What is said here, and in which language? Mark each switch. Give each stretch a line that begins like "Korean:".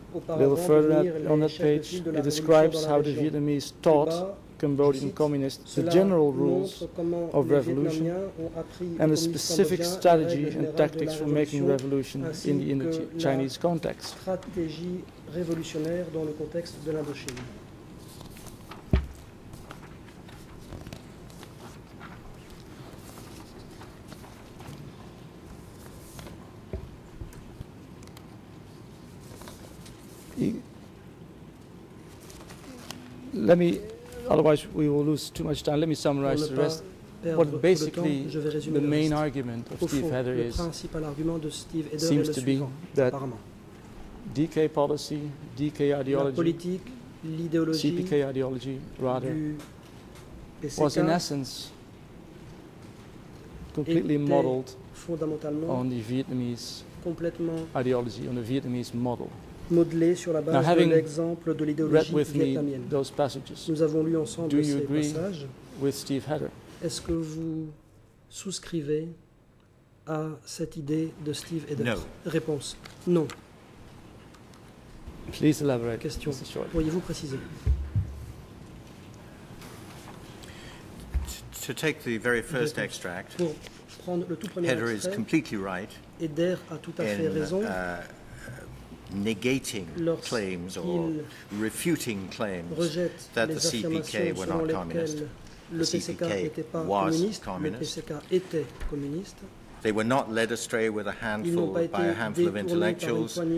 English: A little further on that page, it describes how the Vietnamese taught Cambodian communists the general rules of revolution and the specific strategy and tactics for making revolution in the Chinese context.
French: Stratégie révolutionnaire dans le contexte de l'Indochine.
English: Let me. Otherwise, we will lose too much time. Let me summarize the rest. What basically the main argument of Steve Heather is, seems to be that DK policy, DK ideology, CPK ideology, rather, was in essence completely modeled on the Vietnamese ideology, on the Vietnamese model.
French: Modelé sur la base de l'exemple de l'idéologie vietnamienne. Passages, nous avons lu ensemble ces passages.
English: With Steve Heather?
French: Est-ce que vous souscrivez à cette idée de Steve Heather?
English: No.
French: Réponse, non.
English: Please elaborate.
French: Question, pourriez-vous préciser?
English: To take the very first extract,
French: pour prendre le tout premier
English: Heather
French: extrait,
English: is completely right
French: Heather a tout à fait raison
English: negating claims or refuting claims that the CPK were not communist. The CPK was communist. They were not led astray with a handful by a handful of intellectuals.